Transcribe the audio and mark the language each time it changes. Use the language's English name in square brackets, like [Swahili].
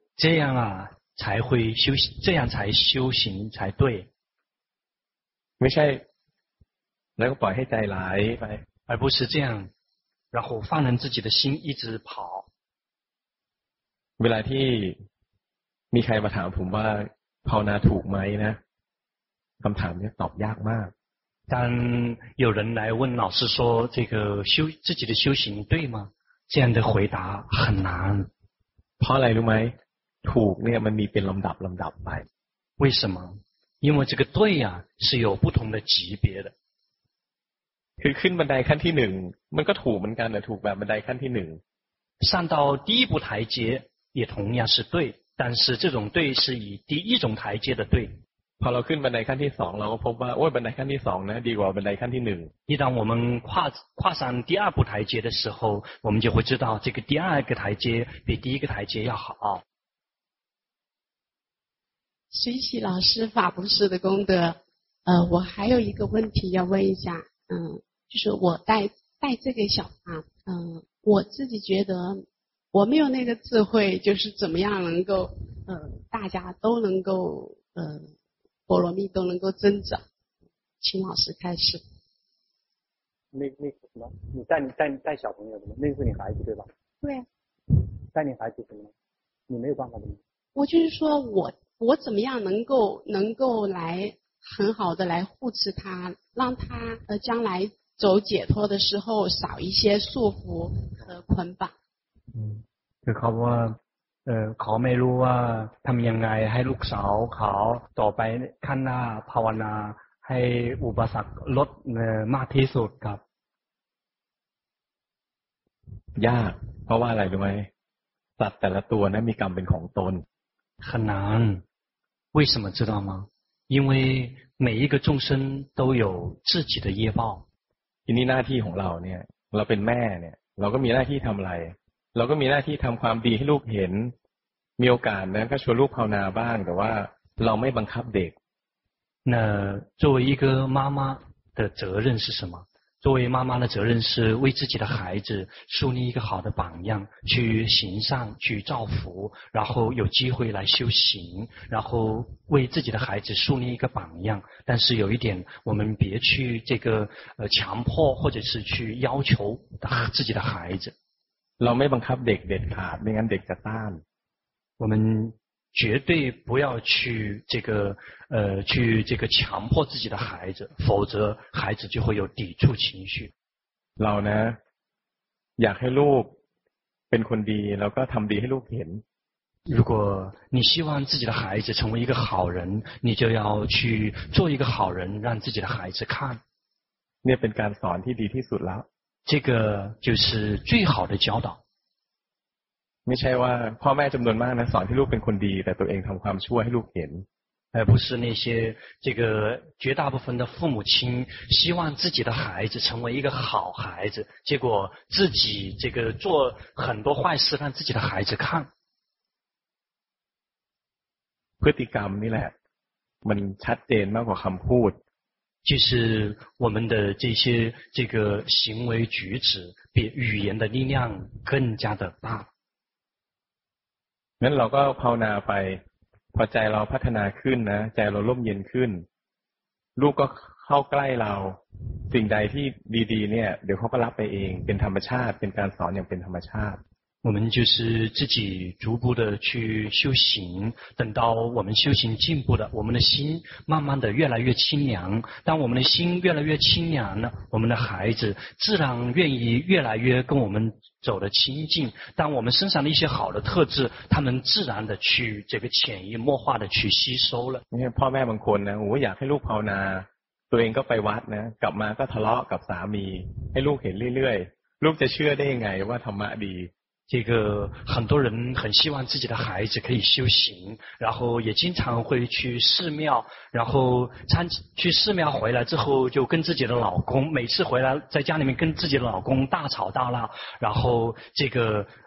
[Chinese] 这样啊才会修行这样才修行才对 [Thai] ไม่ใช่แล้วก็ปล่อยให้ใจไหลไป [Chinese] 而不是这样然后放任自己的心一直跑 [Thai] เวลาที่มีใครมาถามผมว่าภาวนาถูกไหมนะคำถามนี้ตอบยากมาก [Chinese] 当有人来问老师说这个修自己的修行对吗这样的回答很难 [Thai] เพราะอะไรรู้ไหมถูกเนี่ยมันมีเป็นลำดับลำดับไป [Chinese] 为什么因为这个对呀是有不同的级别的 [Thai] คือขึ้นบันไดขั้นที่หนึ่งมันก็ถูกเหมือนกันนะถูกแบบบันไดขั้นที่หนึ่ง [Chinese] 上到第一步台阶也同样是对但是这种对是以第一种台阶的对 [Thai] พอเราขึ้นบันไดขั้นที่สองเราก็พบว่าโอ้ยบันไดขั้นที่สองนะดีกว่าบันไดขั้นที่หนึ่ง [Chinese] 一旦我们跨上第二步台阶的时候我们就会知道这个第二个台阶比第一个台阶要好随喜老师法布施的功德我还有一个问题要问一下就是我带这个小房我自己觉得我没有那个智慧就是怎么样能够大家都能够波罗蜜都能够增长请老师开始那个什么你带小朋友什么那个是你孩子对吧对带你孩子什么你没有办法的吗我就是说我怎么样能够来很好的来护持他让他将来走解脱的时候少一些束缚和捆绑 [Thai] คือเขาว่าเขาไม่รู้ว่าทำยังไงให้ลูกสาวเขาต่อไปขั้นหน้าภาวนาให้อุปสรรคลดมากที่สุดครับ ยากเพราะว่าอะไรรู้ไหมสัตว์แต่ละตัวนั้นมีกรรมเป็นของตน [Chinese] 很难为什么知道吗因为每一个众生都有自己的业报 [Thai] ทีนี้หน้าที่ของเราเนี่ยเราเป็นแม่เนี่ยเราก็มีหน้าที่ทำอะไรเราก็มีหน้าที่ทำความดีให้ลูกเห็นมีโอกาสนะก็ชวนลูกภาวนาบ้างแต่ว่าเราไม่บังคับเด็ก [Chinese] 那作为一个妈妈的责任是什么作为妈妈的责任是为自己的孩子树立一个好的榜样去行善去造福然后有机会来修行然后为自己的孩子树立一个榜样但是有一点我们别去这个强迫或者是去要求自己的孩子 [Thai] เราไม่บังคับเด็กเด็ดขาดไม่งั้นเด็กจะต้าน [Chinese] 我们绝对不要去这个去这个强迫自己的孩子否则孩子就会有抵触情绪 [Thai] เรานะอยากให้ลูกเป็นคนดีแล้วก็ทำดีให้ลูกเห็น [Chinese] 如果你希望自己的孩子成为一个好人你就要去做一个好人让自己的孩子看 [Thai] เนี่ยเป็นการสอนที่ดีที่สุดแล้ว [Chinese] 这个就是最好的教导 [Thai] ไม่ใช่ว่าพ่อแม่จำนวนมากนะสอนให้ลูกเป็นคนดีแต่ตัวเองทำความชั่วให้ลูกเห็น [Chinese] 不是那些这个绝大部分的父母亲希望自己的孩子成为一个好孩子结果自己这个做很多坏事让自己的孩子看 [Thai] พฤติกรรมนี่แหละมันชัดเจนมากกว่าคำพูด [Chinese] 就是我们的这个行为举止比语言的力量更加的大 [Thai] งั้นเราก็ภาวนาไปพอใจเราพัฒนาขึ้นนะใจเราร่มเย็นขึ้นลูกก็เข้าใกล้เราสิ่งใดที่ดีๆเนี่ยเดี๋ยวเขาก็รับไปเองเป็นธรรมชาติเป็นการสอนอย่างเป็นธรรมชาติ [Chinese] 我们就是自己逐步的去修行等到我们修行进步了我们的心慢慢的越来越清凉当我们的心越来越清凉了我们的孩子自然愿意越来越跟我们走得亲近当我们身上的一些好的特质他们自然的去这个潜移默化的去吸收了 [Thai] 因为พ่อแม่บางคนนะโอ้อยากให้ลูกภาวนาตัวเองก็ไปวัดนะกลับมาก็ทะเลาะกับสามีให้ลูกเห็นเรื่อยๆลูกจะเชื่อได้ยังไงว่าธรรมะดี [Chinese] 这个很多人很希望自己的孩子可以修行然后也经常会去寺庙然后去寺庙回来之后就跟自己的老公每次回来在家里面跟自己的老公大吵大闹然后这个